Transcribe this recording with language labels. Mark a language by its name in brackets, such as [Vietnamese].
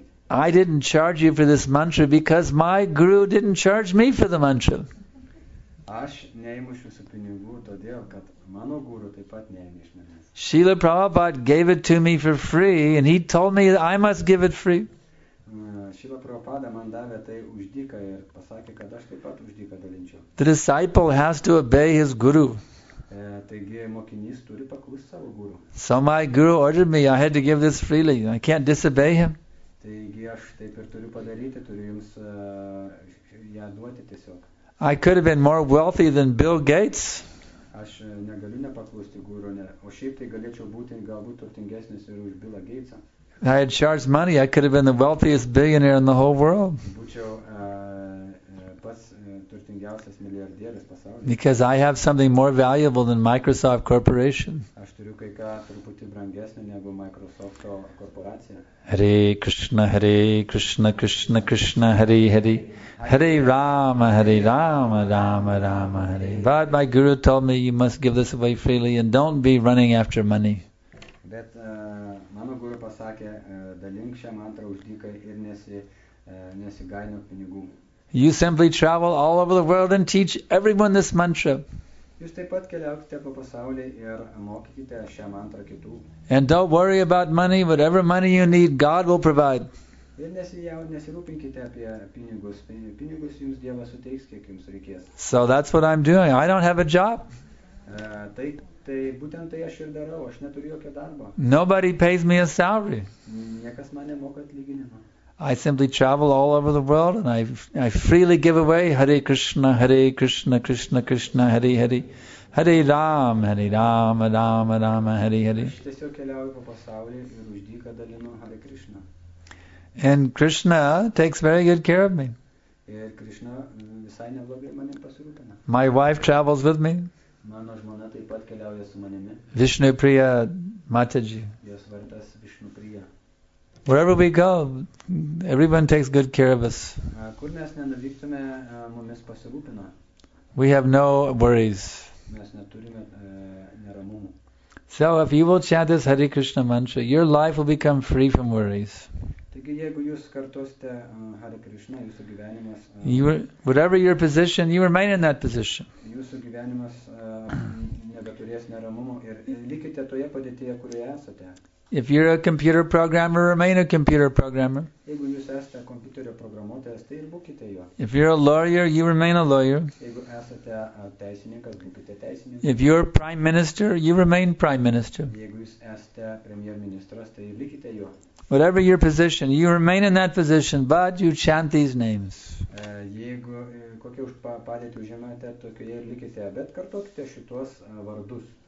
[English] I didn't charge you for this mantra because my guru didn't charge me for the mantra. [Lithuanian] Aš neimu šių pinigų, todėl kad mano guru taip pat neėmė iš manęs. [English] Srila Prabhupada gave it to me for free and he told me I must give it free. [Lithuanian] Srila Prabhupada man davė tai už dyką ir pasakė, kad aš taip pat už dyką dalinčiau. [English] The disciple has to obey his guru. [Lithuanian] Taigi mokinys turi paklusti savo guru. [English] So my guru ordered me, I had to give this freely. I can't disobey him. [Lithuanian] Taigi aš taip ir turiu padaryti, turiu jums ją duoti tiesiog. [English] I could have been more wealthy than Bill Gates. [Lithuanian] Aš negaliu nepaklusti guru, ne. O šiaip tai galėčiau būti galbūt turtingesnis ir už Billą Gatesą. [English] I had charged money, I could have been the wealthiest billionaire in the whole world. [Lithuanian] Būčiau pats turtingiausias milijardierius pasaulyje. [English] Because I have something more valuable than Microsoft Corporation. [Lithuanian] Aš turiu kai ką truputį brangesnio negu Microsoft korporacija. [Sanskrit] Hare Krishna, Hare Krishna, Krishna Krishna, Hare Hare. Hare Rama, Hare Rama, Rama Rama, Hare. [English] But my guru told me you must give this away freely and don't be running after money. [Lithuanian] Bet mano guru pasakė, dalink šią mantrą už dyką ir nesigainiok pinigų. [English] You simply travel all over the world and teach everyone this mantra. [Lithuanian] Jūs taip pat keliaukite po pasaulį ir mokykite šią mantrą kitų. [English] And don't worry about money, whatever money you need, God will provide. [Lithuanian] Ir nesirūpinkite apie pinigus. Pinigus jums Dievas suteiks, kiek jums reikės. [English] So that's what I'm doing. I don't have a job. [Lithuanian] Tai būtent tai aš ir darau. Aš neturiu jokio darbo. [English] Nobody pays me a salary. [Lithuanian] Niekas man nemoka atlyginimą. [English] I simply travel all over the world and I freely give away Hare Krishna, Hare Krishna, Krishna Krishna, Hare Hare. [Sanskrit] Hare Ram, Hare Ram, Ram, Ram, Hare Hare. [Lithuanian] Aš tiesiog keliauju po pasaulį ir už dyką dalinu Hare Krishna. [English] And Krishna takes very good care of me. [Lithuanian] Ir Krishna visai neblogai manim pasirūpina. [English] My wife travels with me. [Lithuanian] Mano žmona taip pat keliauja su manimi. [English] Vishnu Priya Mataji. [Lithuanian] Jos vardas Vishnu Priya. [English] Wherever we go, everyone takes good care of us. [Lithuanian] Kur mes nenuvyktume, mumis pasirūpina. [English] We have no worries. [Lithuanian] Mes neturime neramumų. [English] So if you will chant this Hare Krishna mantra, your life will become free from worries. [Lithuanian] Taigi jeigu jūs kartosite Hare Krishna, jūsų gyvenimas [English] whatever your position, you remain in that position. [Lithuanian] Jūsų gyvenimas nebeturės neramumų ir likite toje padėtyje, kurioje esate. [English] If you're a computer programmer, remain a computer programmer. [Lithuanian] Jeigu jūs esate kompiuterio programuotojas, tai ir būkite juo. [English] If you're a lawyer, you remain a lawyer. [Lithuanian] Jeigu esate teisininkas, būkite teisininkas. [English] If you're prime minister, you remain prime minister. [Lithuanian] Jeigu jūs esate premjer ministras, tai ir būkite juo. [English] Whatever your position, you remain in that position, but you chant these names. [Lithuanian] Jeigu kokią padėtį užimate, tokioje ir likite, bet kartokite šituos vardus.